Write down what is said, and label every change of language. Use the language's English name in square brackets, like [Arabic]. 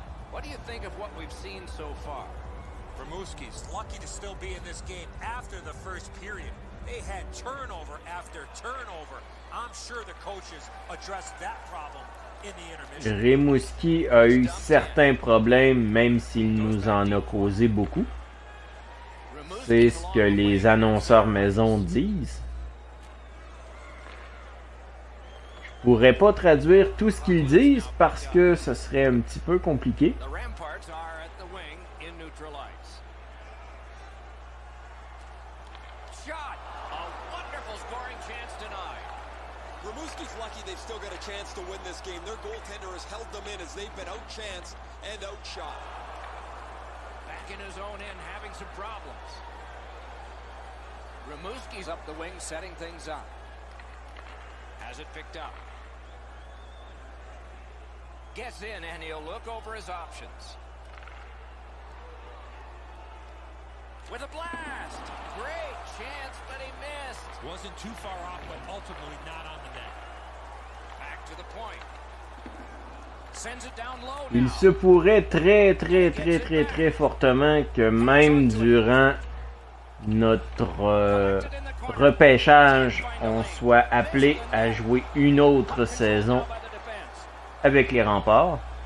[English] What do you think of what we've seen so far? Rimouski's lucky to still be in this game after the first period. They had turnover after turnover. I'm sure the coaches addressed that problem in the intermission. [French] Rimouski a eu certains problèmes, même s'il nous en a causé beaucoup. C'est ce que les annonceurs maison disent. Je pourrais pas traduire tout ce qu'ils disent parce que ce serait un petit peu compliqué. [English] Shot! A wonderful scoring chance denied. Mooski's lucky they've still got a chance to win this game. Their goaltender has held them in as they've been outchanced and outshot. Back in his own end, having some problems. Rimouski's up the wing, setting things up. Has it picked up. Gets in, and he'll look over his options. With a blast! Great chance, but he missed. Wasn't too far off, but ultimately not on the net. Back to the point. Sends it down low. [French] Il se pourrait très fortement que même durant notre repêchage, on soit appelé à jouer une autre saison avec les Remparts.